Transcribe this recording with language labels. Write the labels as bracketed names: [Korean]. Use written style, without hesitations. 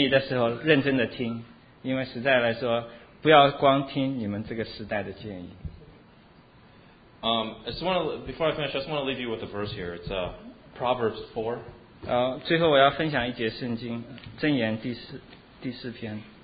[Chinese] 那个我这个话是向年轻人说的，但也是向所有父母还在的人说的，就是当你们的父母向你有所建议的时候，认真的听，因为实在来说。 [English] I just want to leave you with a verse here. It's Proverbs 4. [Chinese] 最后我要分享一节圣经，箴言第四篇。